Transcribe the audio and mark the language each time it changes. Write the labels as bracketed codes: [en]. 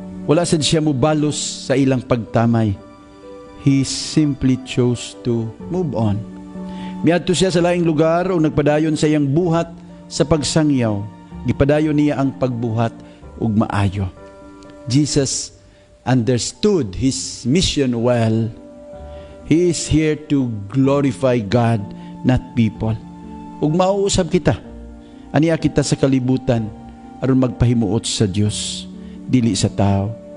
[ceb] Wala sad siya mo balos sa ilang pagtamay. [en] He simply chose to move on. [ceb] Miadto siya sa laing lugar o nagpadayon sa iyang buhat sa pagsangyaw. Gipadayon niya ang pagbuhat ug maayo. [en] Jesus understood his mission well. He is here to glorify God, not people. [ceb] Ug mauusab kita. Aniya kita sa kalibutan aron magpahimuot sa Dios, dili sa tao.